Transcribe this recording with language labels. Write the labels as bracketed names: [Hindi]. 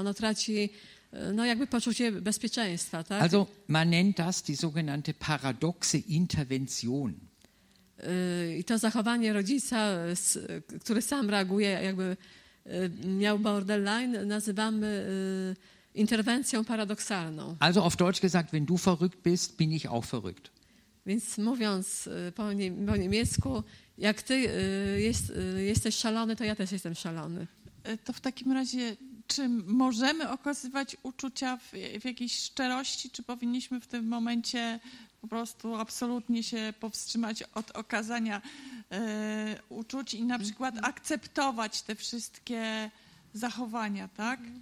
[Polish] Ono traci jakby poczucie bezpieczeństwa. Tak? [German] Also man nennt das die sogenannte paradoxe Intervention. [Polish] I to zachowanie rodzica, który sam reaguje, jakby miał borderline, nazywamy interwencją paradoksalną. [German] Also auf Deutsch gesagt, wenn du verrückt bist, bin ich auch verrückt. [Polish] Więc mówiąc po niemiecku, jak ty jesteś szalony, to ja też jestem szalony. To w takim razie, czy możemy okazywać uczucia w jakiejś szczerości, czy powinniśmy w tym momencie po prostu absolutnie się powstrzymać od okazania uczuć i na przykład akceptować te wszystkie zachowania, tak?